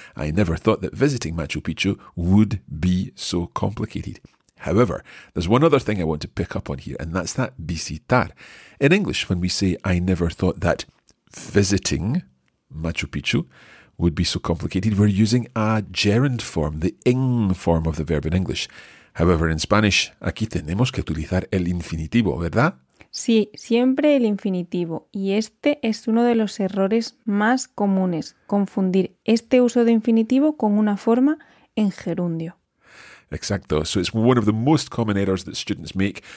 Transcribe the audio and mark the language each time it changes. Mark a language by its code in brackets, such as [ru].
[en] I never thought that visiting Machu Picchu would be so complicated. However, there's one other thing I want to pick up on here, and that's that visitar. In English, when we say I never thought that visiting Machu Picchu would be so complicated, we're using a gerund form, the ing form of the verb in English. However, in Spanish, [es] aquí tenemos que utilizar el infinitivo, ¿verdad? Sí, siempre el infinitivo. Y este es uno de los errores más comunes, confundir este uso de infinitivo con una forma en gerundio. Exacto. [en] So it's one of the most common errors that students make.